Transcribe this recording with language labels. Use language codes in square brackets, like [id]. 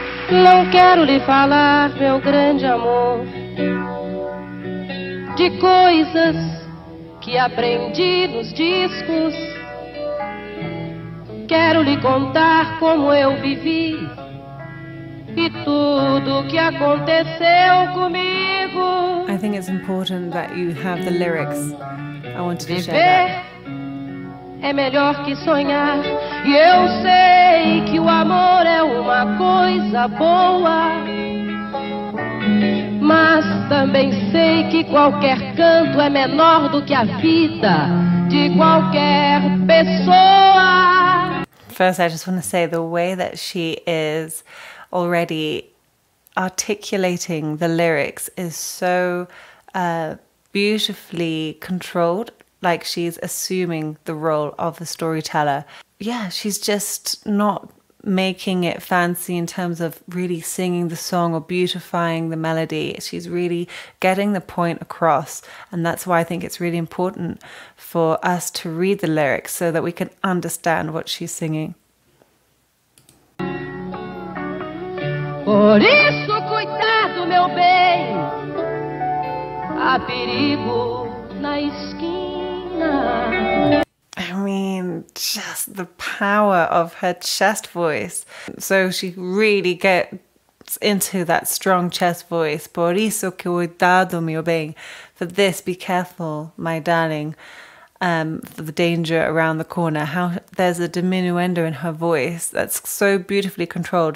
[pt] Não quero lhe falar, meu grande amor, de coisas que aprendi nos discos. Quero lhe contar como eu vivi e tudo que aconteceu comigo. [en] I think it's important that you have the lyrics. I wanted to [pt] viver [en] share that. [pt] É melhor que sonhar. E eu sei que o amor é uma coisa boa, mas também sei que qualquer canto é menor do que a vida de qualquer pessoa. [en] First, I just want to say the way that she is already articulating the lyrics is so beautifully controlled, like she's assuming the role of a storyteller. Yeah, she's just not making it fancy in terms of really singing the song or beautifying the melody. She's really getting the point across, and that's why I think it's really important for us to read the lyrics so that we can understand what she's singing. [pt] Por isso, cuidado, meu bem, há perigo na esquina. [en] I mean, just the power of her chest voice. So she really gets into that strong chest voice. [pt] Por isso, cuidado, meu bem. [en] For this, be careful, my darling, for the danger around the corner. How there's a diminuendo in her voice that's so beautifully controlled.